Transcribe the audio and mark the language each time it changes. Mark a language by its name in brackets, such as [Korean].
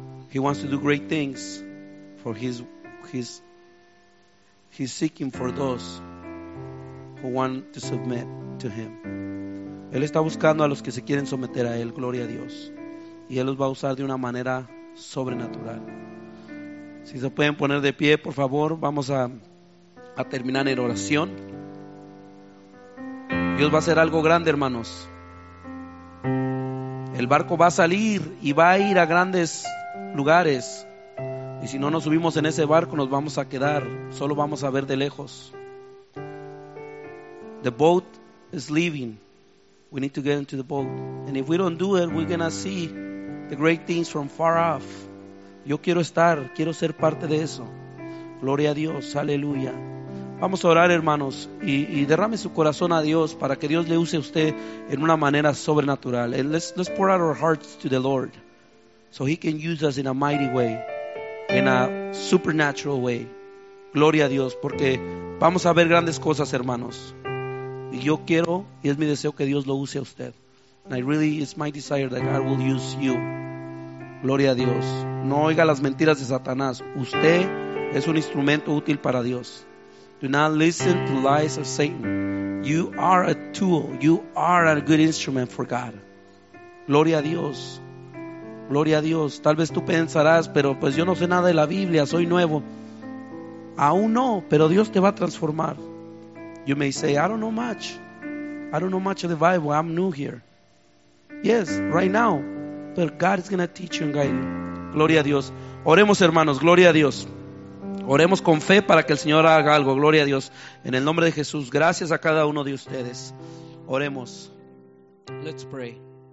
[English] He wants to do great things for he's seeking for those who want to submit to him. [Spanish] Él está buscando a los que se quieren someter a Él, gloria a Dios. Y Él los va a usar de una manera sobrenatural. Si se pueden poner de pie, por favor, vamos a terminar en oración. Dios va a hacer algo grande, hermanos. El barco va a salir y va a ir a grandes lugares. Y si no nos subimos en ese barco, nos vamos a quedar. Solo vamos a ver de lejos. [English] The boat is leaving. We need to get into the boat. And if we don't do it, we're going to see the great things from far off. [Spanish] Yo quiero estar, quiero ser parte de eso. Gloria a Dios. Aleluya. Vamos a orar, hermanos, y derrame su corazón a Dios para que Dios le use a usted en una manera sobrenatural. [English] And let's pour out our hearts to the Lord so He can use us in a mighty way, in a supernatural way. [Spanish] Gloria a Dios, porque vamos a ver grandes cosas, hermanos. Y yo quiero, y es mi deseo, que Dios lo use a usted. [English] And I really, it's my desire that God will use you. [Spanish] Gloria a Dios. No oiga las mentiras de Satanás. Usted es un instrumento útil para Dios. [English] Do not listen to lies of Satan. You are a tool. You are a good instrument for God. [Spanish] Gloria a Dios. Gloria a Dios. Tal vez tú pensarás, pero pues yo no sé nada de la Biblia, soy nuevo. Aún no, pero Dios te va a transformar. [English] You may say, I don't know much. I don't know much of the Bible. I'm new here. Yes, right now. But God is going to teach you and guide you. [Spanish] Gloria a Dios. Oremos, hermanos. Gloria a Dios. Oremos con fe para que el Señor haga algo. Gloria a Dios. En el nombre de Jesús, gracias a cada uno de ustedes. Oremos. [English] Let's pray.